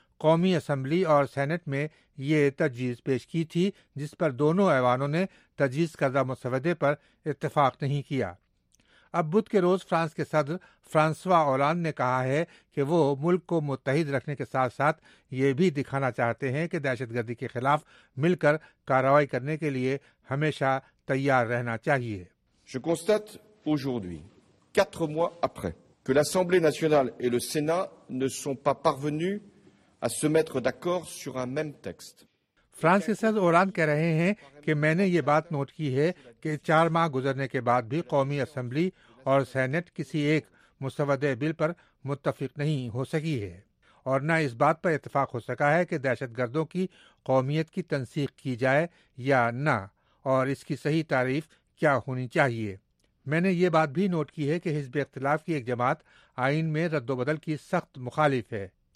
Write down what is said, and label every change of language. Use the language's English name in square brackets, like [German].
[Urdu] قومی اسمبلی اور سینٹ میں یہ تجویز پیش کی تھی جس پر دونوں ایوانوں نے تجویز کردہ مسودے پر اتفاق نہیں کیا۔ اب بدھ کے روز فرانس کے صدر فرانسوا اولاند نے کہا ہے کہ وہ ملک کو متحد رکھنے کے ساتھ ساتھ یہ بھی دکھانا چاہتے ہیں کہ دہشت گردی کے خلاف مل کر کارروائی کرنے کے لیے ہمیشہ تیار رہنا چاہیے۔ [French] Je constate aujourd'hui, 4 mois après, que l'Assemblée nationale et le Sénat ne sont pas parvenus à se mettre d'accord sur un même texte. [Urdu] France کے صدر اولاند کہہ رہے ہیں کہ میں نے یہ بات نوٹ کی ہے کہ 4 ماہ گزرنے کے بعد بھی قومی اسمبلی اور سینٹ کسی ایک مسودے بل پر متفق نہیں ہو سکی ہے، اور نہ اس بات پر اتفاق ہو سکا ہے کہ دہشت گردوں کی قومیت کی تنسیق کی جائے یا نہ، اور اس کی صحیح تعریف کیا ہونی چاہیے۔ میں نے یہ بات بھی نوٹ کی ہے کہ حزب اختلاف کی ایک جماعت آئین میں رد و بدل کی سخت مخالف ہے۔